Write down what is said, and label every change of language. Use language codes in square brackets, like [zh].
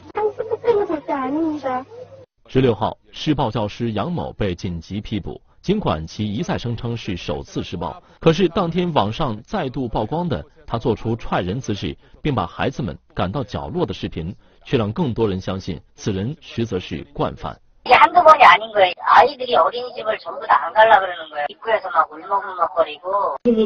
[ko] 상습폭행은절대아닙니다 [zh] 16号，施暴教师杨某被紧急批捕。尽管其一再声称是首次施暴，可是当天网上再度曝光的他做出踹人姿势，并把孩子们赶到角落的视频，却让更多人相信此人实则是惯犯。 [ko] 한두번이아닌거예요아이들이어린이집을전부다안갈라그러는거예요입구에서막울먹울먹거리고